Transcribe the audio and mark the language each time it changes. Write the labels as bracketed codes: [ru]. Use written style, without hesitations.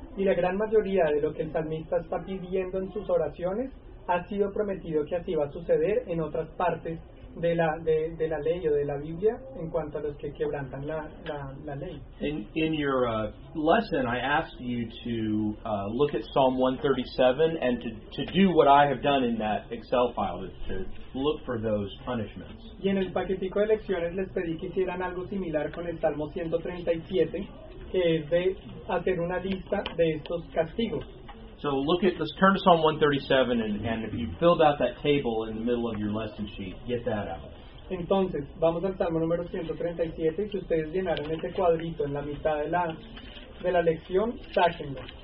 [es] Y la gran mayoría de lo que el salmista está pidiendo en sus oraciones ha sido prometido que así va a suceder en otras partes de la ley o de la Biblia en cuanto a los que quebrantan la ley. [en] In your lesson, I asked you to look at Psalm 137 and to do what I have done in that Excel file, is to look for those punishments. [es] Y en el paquetico de lecciones les pedí que hicieran algo similar con el Salmo 137, que es de hacer una lista de estos castigos. [en] So look at, let's turn to Psalm 137, and if you filled out that table in the middle of your lesson sheet, get that out. [es] Entonces, vamos al Salmo número 137, y si ustedes llenaron este cuadrito en la mitad de la lección, sáquenlo.